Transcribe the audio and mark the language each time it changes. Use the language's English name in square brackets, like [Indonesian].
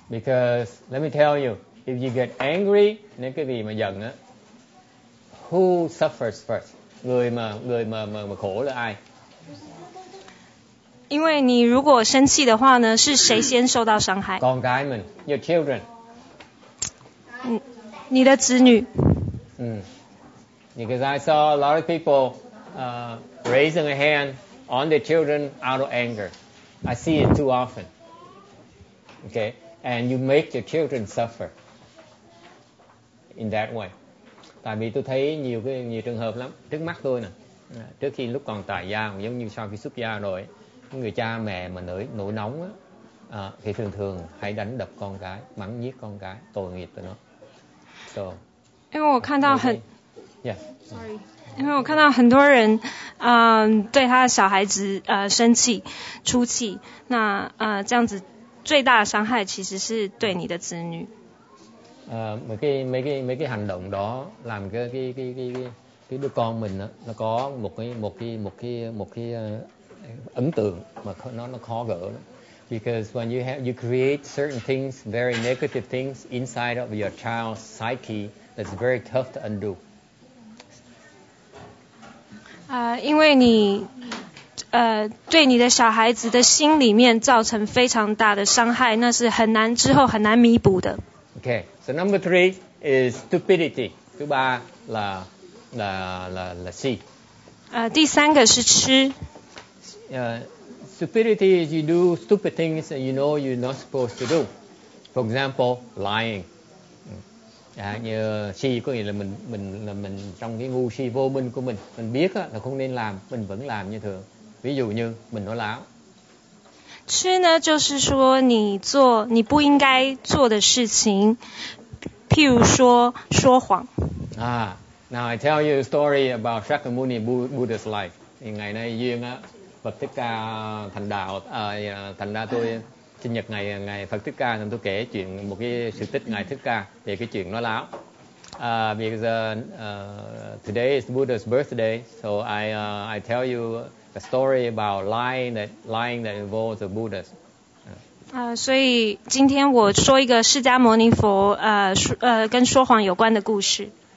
[English] Because let me tell you, if you get angry, [Chinese] 那个你嘛忍啊 [English] ，who suffers first？ [Vietnamese] người mà khổ là ai？ [Chinese] 因为你如果生气的话呢，是谁先受到伤害 [Vietnamese] ？Con gái mình, [English] your children。 [Chinese] 你的子女。 [English] Because I saw a lot of people. Raising a hand on their children out of anger. I see it too often. Okay? And you make your children suffer in that way. [Vietnamese] Tại vì tôi thấy nhiều trường hợp lắm. Trước mắt tôi nè. Trước khi lúc còn tại gia, giống như sau khi xuất gia rồi, người cha mẹ mà nổi nóng á, thì thường thường hay đánh đập con cái, mắng nhiếc con cái, tội nghiệp tụi nó. [English] So, [Chinese] 因为我看到很 [English] Yeah. Sorry. [Chinese] 因为我看到很多人，对他的小孩子生气、出气，那这样子最大的伤害其实是对你的子女。每个行动 [Vietnamese] đó làm cái đứa con mình nó có một cái ấn tượng mà nó khó gỡ. [English] Because when you create certain things, very negative things inside of your child's psyche, that's very tough to undo. [Chinese] 因为你对你的小孩子的心里面造成非常大的伤害，那是很难之后很难弥补的。 [English] Okay, so number three is stupidity. [Chinese] 第八啦 C. 第三个是痴。 [English] Stupidity is you do stupid things that you know you're not supposed to do. For example, lying. [Vietnamese] Như si có nghĩa là mình trong cái ngu si vô minh của mình biết là không nên làm, mình vẫn làm như thường. Ví dụ như mình nói láo. [Chinese] 痴呢就是说你不应该做的事情，譬如说谎。 [English] Now I tell you a story about Shakyamuni Buddha's life. [Vietnamese] Ngày nay duyên Phật Thích Ca thành đạo, thành ra tôi sinh nhật ngày Phật Thích Ca nên tôi kể chuyện một cái sự tích ngày Thích Ca về cái chuyện nói láo. [English] Today is Buddha's birthday, so I tell you a story about lying that involves the Buddha. [Chinese] 所以今天我说一个释迦牟尼佛跟说谎有关的故事。